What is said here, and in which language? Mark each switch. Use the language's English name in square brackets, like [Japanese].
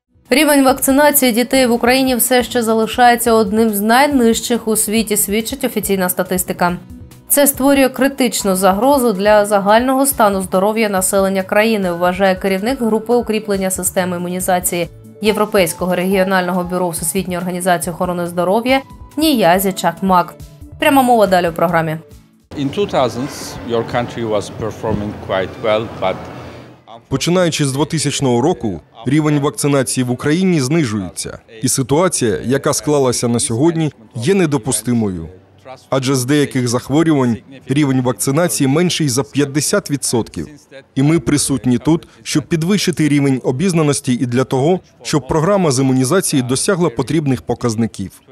[Ukrainian] Рівень вакцинації дітей в Україні все ще залишається одним з найнижчих у світі, свідчить офіційна статистика. Це створює критичну загрозу для загального стану здоров'я населення країни, вважає керівник групи укріплення системи імунізації Європейського регіонального бюро Всесвітньої організації охорони здоров'я Ніязі Чакмак. Пряма мова далі у програмі. [English] In 2000s your country was performing quite well, but [Ukrainian] починаючи з 2000 року, рівень вакцинації в Україні знижується. І ситуація, яка склалася на сьогодні, є недопустимою. Адже з деяких захворювань рівень вакцинації менший за 50%. І ми присутні тут, щоб підвищити рівень обізнаності і для того, щоб програма з імунізації досягла потрібних показників.